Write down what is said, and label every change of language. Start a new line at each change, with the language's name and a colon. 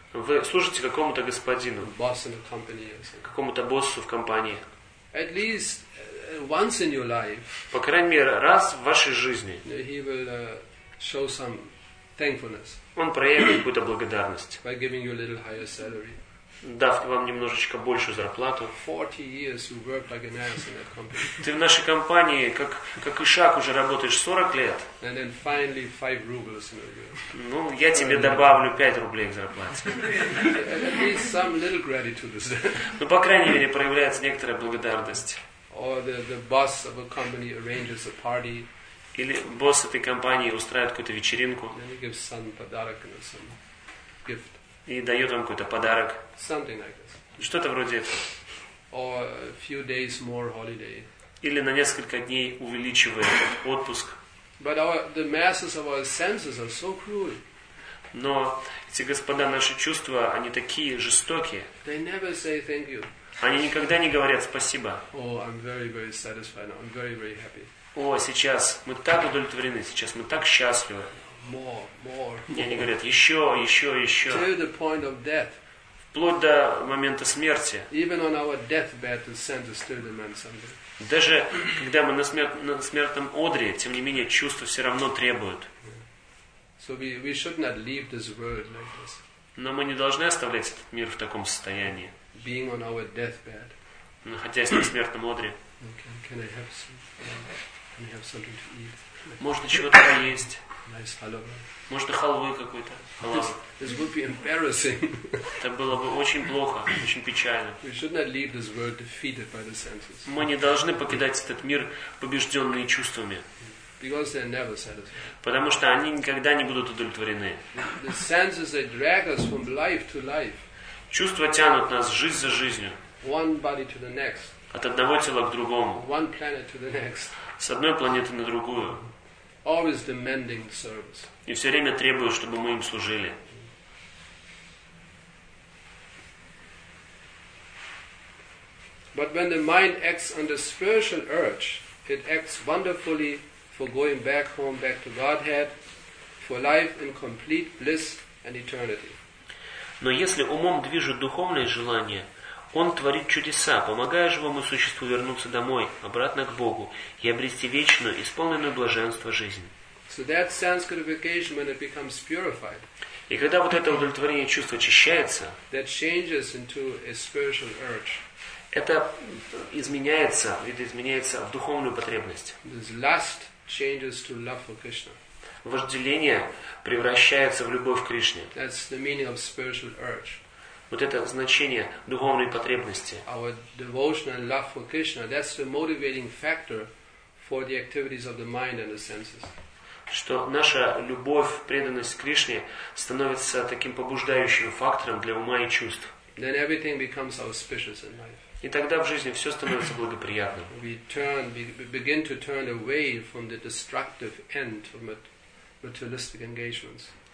Russian: Вы служите какому-то господину.
English: Boss in a company.
Russian: Какому-то боссу в компании.
English: At least once in your life.
Russian: По крайней мере раз в вашей жизни.
English: He will show some thankfulness.
Russian: Он проявит какую-то благодарность.
English: By giving you a little higher salary.
Russian: Дав вам немножечко большую зарплату.
English: 40 years you work like an ass in that company.
Russian: Ты в нашей компании как ишак уже работаешь 40 лет.
English: And then finally 5 rubles in a year.
Russian: Ну, я тебе добавлю 5 рублей к зарплате.
English: And at least some little gratitude.
Russian: Ну, по крайней мере, проявляется некоторая благодарность.
English: Or the boss of a company arranges a party.
Russian: Или босс этой компании устраивает какую-то вечеринку.
English: And he gives some
Russian: подарок,
English: some gift.
Russian: И дает вам какой-то подарок.
English: Something like this.
Russian: Что-то вроде этого.
English: Or a few days more holiday.
Russian: Или на несколько дней увеличивает отпуск.
English: But the masses of our senses are so cruel.
Russian: Но эти господа, наши чувства, они такие жестокие.
English: They never say thank you.
Russian: Они никогда не говорят спасибо.
English: Oh, I'm very, very satisfied. I'm very, very happy.
Russian: О, сейчас мы так удовлетворены, сейчас мы так счастливы.
English: More.
Russian: И они говорят, еще.
English: To the point of death.
Russian: Вплоть до момента смерти.
English: Even on our deathbed, the senses still demand something.
Russian: Даже когда мы на смертном одре, тем не менее, чувства все равно требуют. Yeah.
English: So we should not leave this world like this.
Russian: Но мы не должны оставлять этот мир в таком состоянии.
English: Being on our deathbed.
Russian: Находясь на смертном одре.
English: Can I have something to eat?
Russian: Можно чего-то поесть?
English: nice halva.
Russian: Может, и халвы какой-то.
English: This would be embarrassing.
Russian: Это было бы очень плохо, очень печально.
English: We should not leave this world defeated by the senses.
Russian: Мы не должны покидать этот мир, побежденные чувствами.
English: Because they're never satisfied.
Russian: Потому что они никогда не будут удовлетворены.
English: The senses that drag us from life to life.
Russian: Чувства тянут нас жизнь за жизнью.
English: One body to the next.
Russian: От одного тела к другому.
English: One planet to the next.
Russian: С одной планеты на другую.
English: Always demanding service.
Russian: И все время требуют, чтобы мы им служили.
English: But when the mind acts under spiritual urge, it acts wonderfully for going back home, back to Godhead, for life in complete bliss and eternity.
Russian: Но если умом движут духовные желания, он творит чудеса, помогая живому существу вернуться домой, обратно к Богу, и обрести вечную, исполненную блаженство жизнь.
English: So that sense gratification, when it becomes purified,
Russian: и когда вот это удовлетворение чувства очищается,
English: that changes into a spiritual urge.
Russian: Это изменяется, видоизменяется в духовную потребность.
English: This lust changes to love for Krishna.
Russian: Вожделение превращается в любовь к Кришне.
English: That's the meaning of spiritual urge.
Russian: Вот это значение духовной потребности.
English: Our devotion and love for Krishna, that's the motivating factor for the activities of the mind and the senses.
Russian: Что наша любовь, преданность Кришне становится таким побуждающим фактором для ума и чувств.
English: Then everything becomes auspicious in life.
Russian: И тогда в жизни все становится благоприятным.
English: We turn, begin to turn away from the destructive end of materialistic engagements.